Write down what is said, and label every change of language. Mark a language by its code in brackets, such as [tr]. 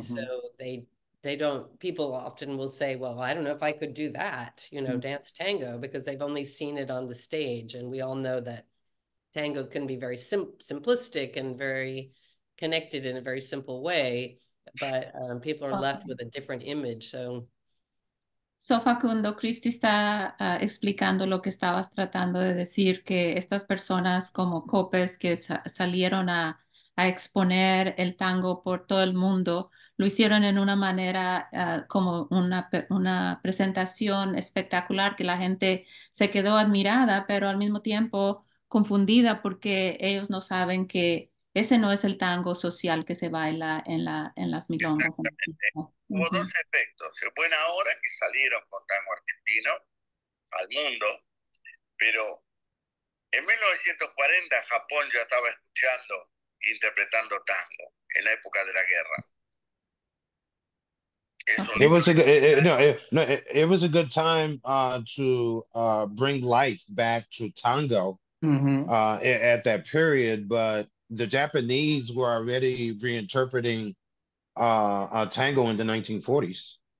[en] So they don't, people often will say, well, I don't know if I could do that, dance tango, because they've only seen it on the stage. And we all know that tango can be very simplistic and very connected in a very simple way, but people are left with a different image. So [es] So Facundo, Cristi está explicando lo que estabas tratando de decir, que estas personas como Copes que salieron a exponer el tango por todo el mundo, lo hicieron en una manera como una presentación espectacular, que la gente se quedó admirada, pero al mismo tiempo confundida, porque ellos no saben que ese no es el tango social que se baila en las milongas. Hubo dos efectos. Es buena hora que salieron con tango argentino al mundo, pero en 1940 Japón ya estaba escuchando e interpretando tango en la época de la guerra. [en] It was a good, it was a good time to bring life back to tango at that period, but the Japanese were already reinterpreting tango in the 1940s.